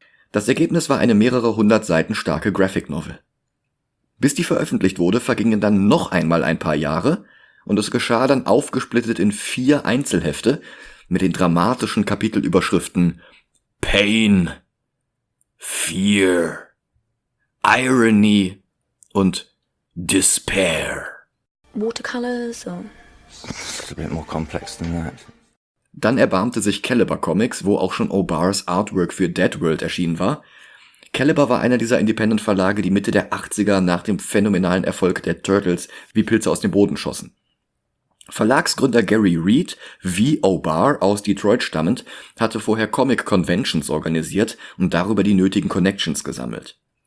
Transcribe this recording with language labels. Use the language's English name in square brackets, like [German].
[German] Das Ergebnis war eine mehrere hundert Seiten starke Graphic Novel. Bis die veröffentlicht wurde, vergingen dann noch einmal ein paar Jahre und es geschah dann aufgesplittet in 4 Einzelhefte mit den dramatischen Kapitelüberschriften Pain, Fear, Irony und Despair. [English] Watercolors or... It's a bit more complex than that. [German] Dann erbarmte sich Caliber Comics, wo auch schon O'Barrs Artwork für Dead World erschienen war. Caliber war einer dieser Independent-Verlage, die Mitte der 80er nach dem phänomenalen Erfolg der Turtles wie Pilze aus dem Boden schossen. Verlagsgründer Gary Reed, wie O'Barr aus Detroit stammend, hatte vorher Comic-Conventions organisiert und darüber die nötigen Connections gesammelt.